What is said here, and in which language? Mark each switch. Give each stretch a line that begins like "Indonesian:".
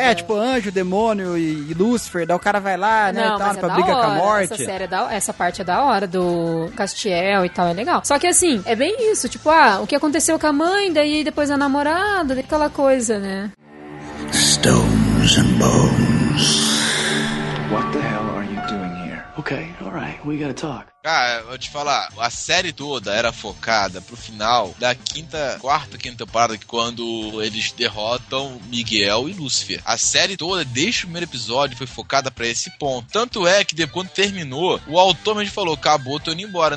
Portuguese: É, tipo, anjo, demônio e Lúcifer. Daí o cara vai lá, né, não, e tal, pra briga com a morte. Essa série é essa parte é da hora, do Castiel e tal, é legal. Só que, assim, é bem isso. Tipo, ah, o que aconteceu com a mãe, daí depois a namorada, aquela coisa, né?
English: Stones and bones. What the hell are you doing here? Okay, alright, we gotta talk.
Portuguese: Cara, eu te falar, a série toda era focada pro final da quarta temporada, quando eles derrotam Miguel e Lúcifer. A série toda, desde o primeiro episódio, foi focada pra esse ponto. Tanto é que, depois, quando terminou, o autor mesmo falou, acabou, tô indo embora.